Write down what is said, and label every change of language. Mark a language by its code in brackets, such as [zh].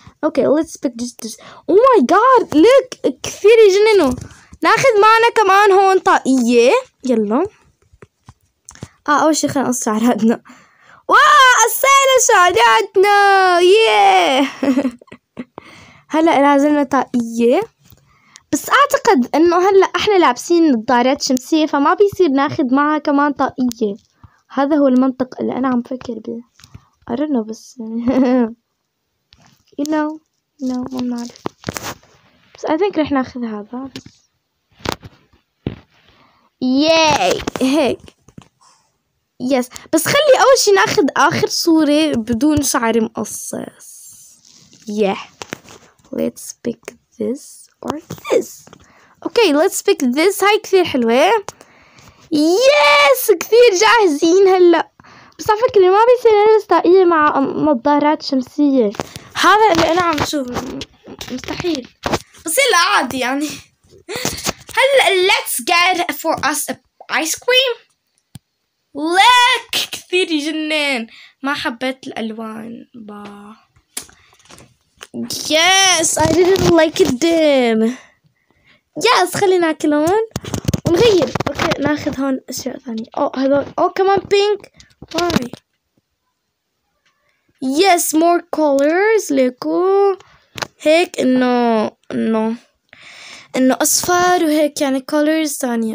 [en] Okay let's pick this. Oh my god look [ar] كثير يجننوا. ناخذ معنا كمان هون طاقيه. يلا اول شيء خلينا نقص شعراتنا. واو قصينا شعراتنا ياه. هلا لازمنا طاقيه، بس اعتقد انه هلا احنا لابسين نظارات شمسيه فما بيصير ناخذ معها كمان طاقيه. هذا هو المنطق اللي انا عم فكر به. [en] I don't know [ar] بس [en] you know no [ar] ما بنعرف بس [en] I think [ar] رح ناخذ هذا بس. ياي هيك يس. بس خلي اول شي ناخذ اخر صورة بدون شعر مقصص. [en] ياه let's pick this or this. Okay let's pick this. [ar] هاي كثير حلوة. يس كثير جاهزين هلا. بس على فكرة ما بيصير نلبس طاقية مع نظارات شمسية، هذا اللي انا عم شوفه مستحيل. بس يلا عادي يعني. [en] هلا let's get for us ice cream. [ar] لك كثير يجنن. ما حبيت الالوان. [en] با yes I didn't like it them. [ar] يس خلينا ناكلهم ونغير. اوكي ناخذ هون اشياء ثانيه. هذول كمان بينك. [en] واي yes more colours. [ar] ليكو هيك انه اصفر وهيك يعني كولرز ثانيه.